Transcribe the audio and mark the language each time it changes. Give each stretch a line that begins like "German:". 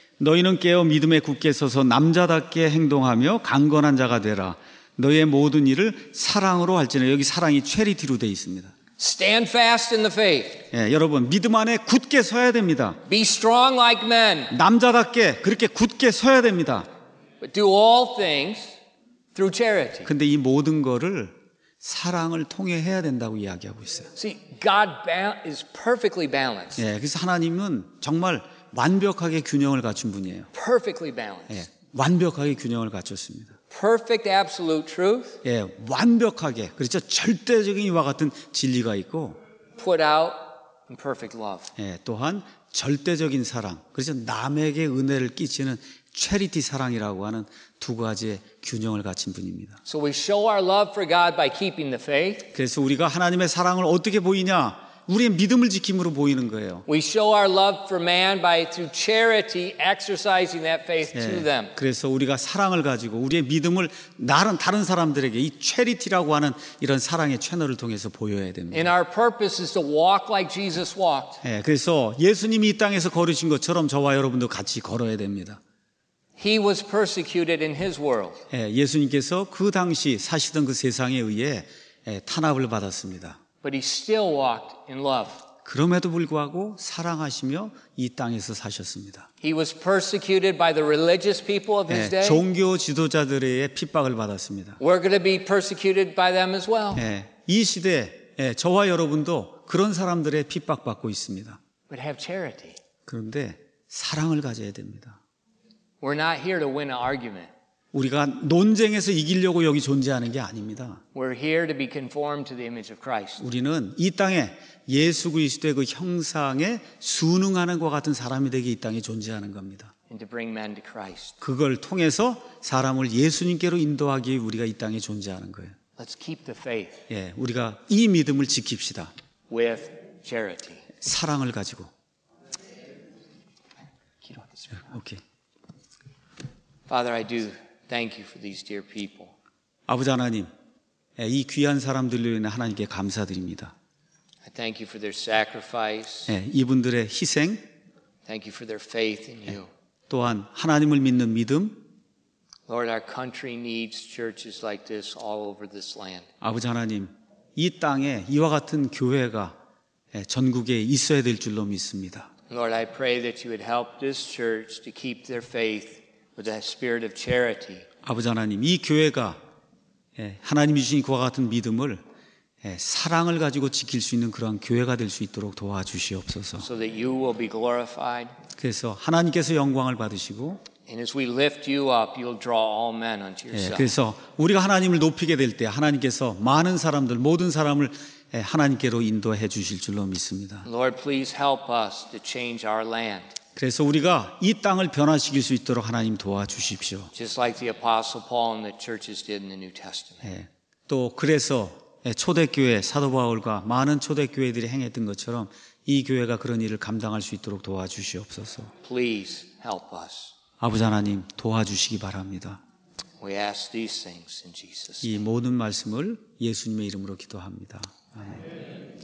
Korean: 너희는 깨어 믿음에 굳게 서서 남자답게 행동하며 강건한 자가 되라. 너희의 모든 일을 사랑으로 할지니라. 여기 사랑이 charity로 되어 있습니다.
English: Stand fast in the faith.
Korean: 예, 여러분 믿음 안에 굳게 서야 됩니다.
English: Be strong like men.
Korean: 남자답게 그렇게 굳게 서야 됩니다.
English: But do all things through charity.
Korean: 근데 이 모든 거를 사랑을 통해 해야 된다고 이야기하고 있어요.
English: See, God is perfectly balanced.
Korean: 예, 그래서 하나님은 정말 완벽하게 균형을 갖춘 분이에요.
English: Perfectly balanced.
Korean: 예, 완벽하게 균형을 갖췄습니다.
English: Perfect absolute truth.
Korean: 예, 완벽하게 그렇죠. 절대적인 이와 같은 진리가 있고.
English: Put out in perfect love.
Korean: 예, 또한 절대적인 사랑 그렇죠. 남에게 은혜를 끼치는 charity 사랑이라고 하는 두 가지의 균형을 갖춘 분입니다.
English: So we show our love for God by keeping the faith.
Korean: 그래서 우리가 하나님의 사랑을 어떻게 보이냐? 우리의 믿음을 지킴으로 보이는 거예요.
English: We show our love for man by through charity exercising that faith
Korean: 예,
English: to them.
Korean: 그래서 우리가 사랑을 가지고 우리의 믿음을 다른 사람들에게 이 charity라고 하는 이런 사랑의 채널을 통해서 보여야 됩니다.
English: And our purpose is to walk like Jesus walked.
Korean: 예, 그래서 예수님이 이 땅에서 걸으신 것처럼 저와 여러분도 같이 걸어야 됩니다.
English: He was persecuted in his world.
Korean: 예, 예수님께서 그 당시 사시던 그 세상에 의해 예, 탄압을 받았습니다.
English: But he still walked in love.
Korean: 그럼에도 불구하고 사랑하시며 이 땅에서 사셨습니다.
English: He was persecuted by the religious people of his day.
Korean: 종교 지도자들의 핍박을 받았습니다.
English: We're going to be persecuted by them as well.
Korean: 예, 이 시대에 예, 저와 여러분도 그런 사람들의 핍박받고 있습니다.
English: But have charity.
Korean: 그런데 사랑을 가져야 됩니다.
English: We're not here to win an argument.
Korean: 우리가 논쟁에서 이기려고 여기 존재하는 게 아닙니다.
English: We're here to be conformed to the image of Christ.
Korean: 우리는 이 땅에 예수 그리스도의 그 형상에 순응하는 것 같은 사람이 되기 이 땅에 존재하는 겁니다.
English: And to bring man to Christ.
Korean: 그걸 통해서 사람을 예수님께로 인도하기 위해 우리가 이 땅에 존재하는 거예요.
English: Let's keep the faith.
Korean: 예, 우리가 이 믿음을 지킵시다.
English: With charity.
Korean: 사랑을 가지고. 기도하겠습니다. 예, 오케이.
English: Father, I do thank you for these dear people.
Korean: 아버지 하나님, 이 귀한 사람들로 인해 하나님께 감사드립니다.
English: I thank you for their sacrifice.
Korean: 예, 이분들의 희생.
English: Thank you for their faith in you.
Korean: 또한 하나님을 믿는 믿음.
English: Lord, our country needs churches like this all over this land.
Korean: 아버지 하나님, 이 땅에 이와 같은 교회가 전국에 있어야 될 줄로 믿습니다.
English: Lord, I pray that you would help this church to keep their faith with that spirit of charity.
Korean: 아버지 하나님, 이 교회가 하나님이 주신 그와 같은 믿음을 사랑을 가지고 지킬 수 있는 그런 교회가 될 수 있도록 도와주시옵소서.
English: So that you will be glorified.
Korean: 그래서 하나님께서 영광을 받으시고.
English: And as we lift you up, you'll draw all men unto yourself.
Korean: 그래서 우리가 하나님을 높이게 될 때 하나님께서 많은 사람들, 모든 사람을 하나님께로 인도해 주실 줄로 믿습니다.
English: Lord, please help us to change our land.
Korean: 그래서 우리가 이 땅을 변화시킬 수 있도록 하나님 도와주십시오.
English: Just like the Apostle Paul and the churches did in the New Testament.
Korean: 또 그래서 초대교회 사도 바울과 많은 초대교회들이 행했던 것처럼 이 교회가 그런 일을 감당할 수 있도록 도와주시옵소서.
English: Please help us.
Korean: 아버지 하나님 도와주시기 바랍니다.
English: We ask these things in Jesus' name.
Korean: 이 모든 말씀을 예수님의 이름으로 기도합니다. 아멘.